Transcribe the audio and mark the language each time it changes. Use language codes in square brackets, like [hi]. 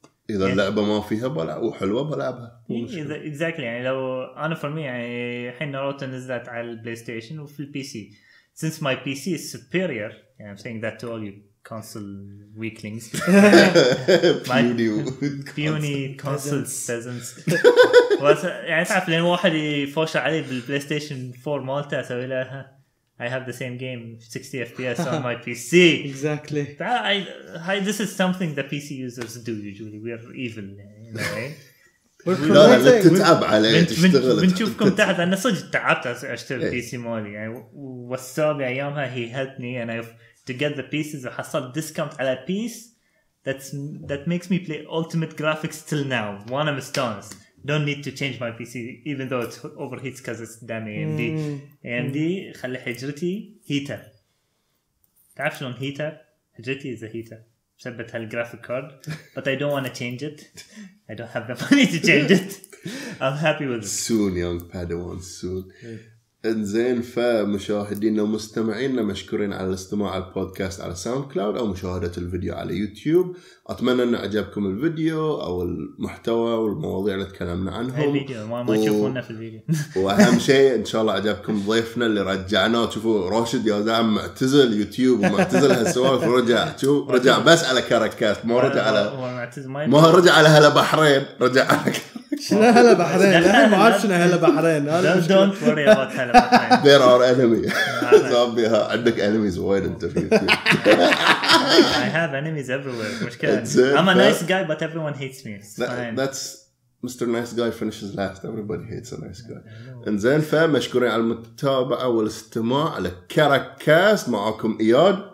[ar] إذا اللعبة ما فيها بلعب وحلوة بلعبها [en] Exactly. [ar] يعني لو أنا [en] for me, [ar] حين ناروتو نزلت على البلايستيشن وفي PC. [en] Since my PC is superior, yeah, I'm saying that to all you. Console weaklings. puny console peasants. يعني تعرف لين واحد يفوش علي بالبلاي ستيشن 4 مالتا سوي لها I have the same game 60 FPS on my PC. Exactly. This is something that PC users do usually. We are evil. [ar] لا تتعب عليه بنشوفكم تحت أنا صدق تعبت أشتغل PC مالي يعني والسابع أيامها [en] he helped me and I to get the pieces [ar] وحصلت discount على piece [en] that makes me play ultimate graphics till now. One of the stones. Don't need to change my PC, even though it overheats because it's damn AMD. [ar] AMD, خلي حجرتي heater. تعرف شلون heater? حجرتي [en] is a heater. [ar] ثبت هالgraphic card. [en] But I don't want to change it. I don't have the money to change it. I'm happy with it. Soon, young Padawan, soon. [ar] انزين فمشاهدينا ومستمعينا مشكورين على الاستماع على البودكاست على ساوند كلاود او مشاهدة الفيديو على يوتيوب. اتمنى ان اعجبكم الفيديو او المحتوى والمواضيع اللي تكلمنا عنهم. هاي الفيديو ما تشوفونا في الفيديو. واهم شيء ان شاء الله اعجبكم ضيفنا اللي رجعناه. تشوفوا راشد يا دعم معتزل يوتيوب ومعتزل هالسوالف ورجع. شوف رجع بس على كاركاست مو رجع على ما رجع على هلا بحرين رجع على شنو هلا بحرين؟ أنا ما أعرف شنو هلا بحرين. [en] Don't worry about هلا بحرين. There are enemies. [ar] صابيها عندك enemies وايد أنت في [en] YouTube. I have enemies everywhere. [ar] مشكلة. [en] I'm a nice guy but everyone hates me. That's Mr. Nice Guy finishes last. Everybody hates a nice guy. [ar] إنزين فمشكورين على المتابعة والاستماع على كاركاست معكم إياد.